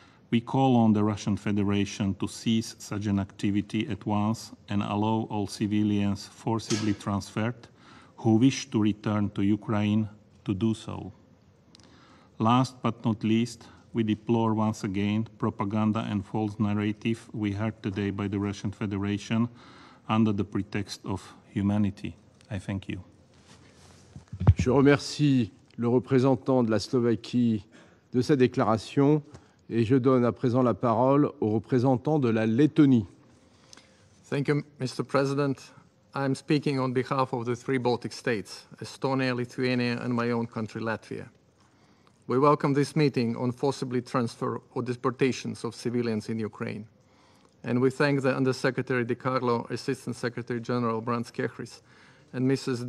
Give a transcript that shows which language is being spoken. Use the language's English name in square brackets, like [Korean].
[English] We call on the Russian Federation to cease such an activity at once and allow all civilians forcibly transferred who wish to return to Ukraine to do so. Last but not least, we deplore once again propaganda and false narrative we heard today by the Russian Federation under the pretext of humanity. I thank you. [French] Je remercie le représentant de la Slovaquie de sa déclaration. Et je donne à présent la parole au représentant de la Lettonie. [English] Thank you, Mr. President. I'm speaking on behalf of the three Baltic states, Estonia, Lithuania, and my own country, Latvia. We welcome this meeting on forcibly transfer or deportations of civilians in Ukraine. And we thank the Undersecretary Di Carlo, Assistant Secretary General Brands Kehris, and Mrs.